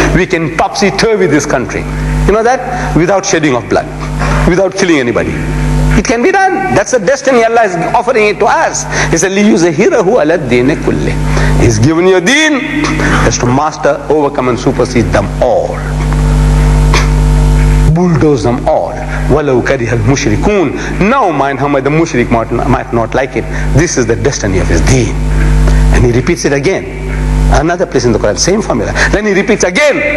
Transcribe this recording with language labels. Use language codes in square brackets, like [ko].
[en] We can topsy-turvy this country. You know that? Without shedding of blood. Without killing anybody. It can be done. That's the destiny Allah is offering it to us. He said, [ar] لِيُزَهِرَهُ عَلَى الدِّينِ كُلِّهِ. [en] He's given you a deen. That's to master, overcome and supersede them all. Bulldoze them all. [ar] وَلَوْ كَرِهَ الْمُشْرِكُونَ. [en] Now mind how the mushrik might not like it. This is the destiny of his deen. And he repeats it again. Another place in the Quran, same formula. Then he repeats again.